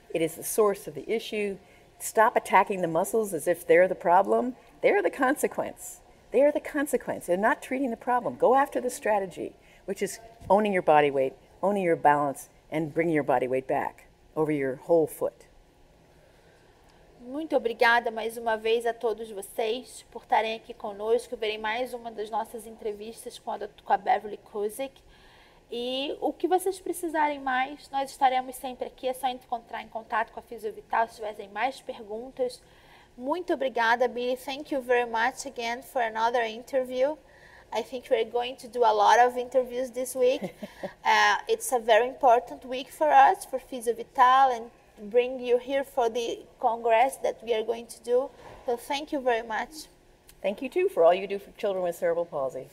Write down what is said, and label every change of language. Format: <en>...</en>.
<en>It is the source of the issue. Stop attacking the muscles as if they're the problem. They're the consequence. They're the consequence. They're not treating the problem. Go after the strategy, which is owning your body weight, owning your balance, and bringing your body weight back over your whole foot.</en> <pt>Muito obrigada mais uma vez a todos vocês por estarem aqui conosco, verem mais uma das nossas entrevistas com a Beverly Cusick. E o que vocês precisarem mais, nós estaremos sempre aqui. É só encontrar em contato com a Fisiovital se tiverem mais perguntas. Muito obrigada, Billy.</pt> <en>Thank you very much again for another interview. I think we're going to do a lot of interviews this week. It's a very important week for us, for Fisiovital, and bring you here for the congress that we are going to do. So thank you very much. Thank you, too, for all you do for children with cerebral palsy.</en>